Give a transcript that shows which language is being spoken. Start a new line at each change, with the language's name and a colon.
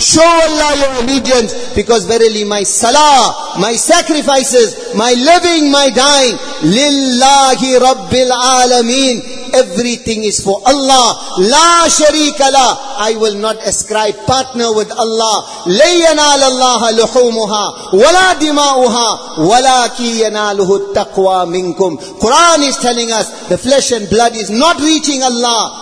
English: Show Allah your allegiance. Because verily my salah, my sacrifices, my living, my dying,
Arabic: lillahi rabbil alameen,
English: everything is for Allah.
Arabic: لا شريك له.
English: I will not ascribe partner with Allah.
Arabic: لن ينال الله لحومها ولا دماؤها ولكن يناله التقوى منكم.
English: Quran is telling us the flesh and blood is not reaching Allah.